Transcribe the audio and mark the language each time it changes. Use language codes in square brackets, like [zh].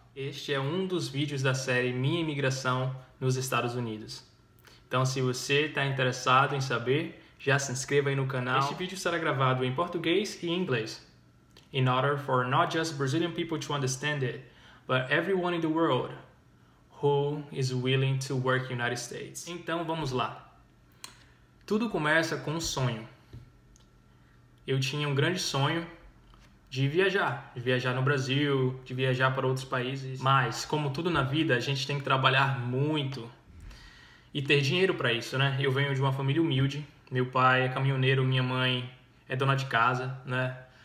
[pt] Este é um dos vídeos da série Minha Imigração nos Estados Unidos. Então se você está interessado em saber, já se inscreva aí no canal. Este vídeo será gravado em português e inglês. [en] In order for not just Brazilian people to understand it, but everyone in the world who is willing to work in the United States. [pt] Então vamos lá. Tudo começa com um sonho. Eu tinha um grande sonho de viajar no Brasil, de viajar para outros países. Mas, como tudo na vida, a gente tem que trabalhar muito e ter dinheiro para isso, né? Eu venho de uma família humilde, meu pai é caminhoneiro, minha mãe é dona de casa, né?